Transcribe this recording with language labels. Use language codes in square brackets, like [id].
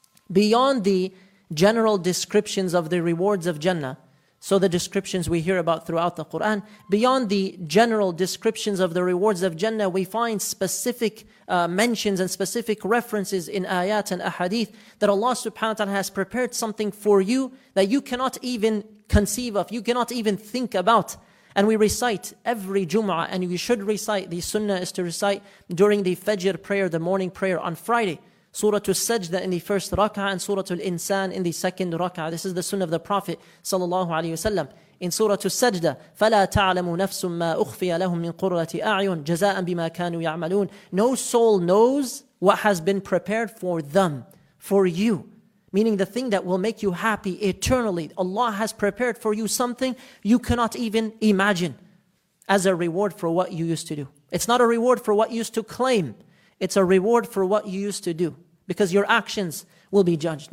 [en] Beyond the general descriptions of the rewards of Jannah, so the descriptions we hear about throughout the Quran, beyond the general descriptions of the rewards of Jannah, we find specific mentions and specific references in ayat and ahadith that Allah subhanahu wa ta'ala has prepared something for you that you cannot even conceive of, you cannot even think about. And we recite every Jum'ah, and you should recite, the sunnah is to recite during the Fajr prayer, the morning prayer on Friday, Surah Al-Sajda in the first rak'ah and Surah Al-Insan in the second rak'ah. This is the sunnah of the Prophet sallallahu alaihi wasallam. [ar] In Surah Al-Sajda, فَلَا تَعْلَمُ نَفْسٌ مَا أُخْفِيَ لَهُمْ مِنْ قُرَّةِ أَعْيُنٍ جَزَاءً بِمَا كَانُوا يَعْمَلُونَ. [en] No soul knows what has been prepared for them, for you. Meaning the thing that will make you happy eternally. Allah has prepared for you something you cannot even imagine as a reward for what you used to do. It's not a reward for what you used to claim. It's a reward for what you used to do. Because your actions will be judged.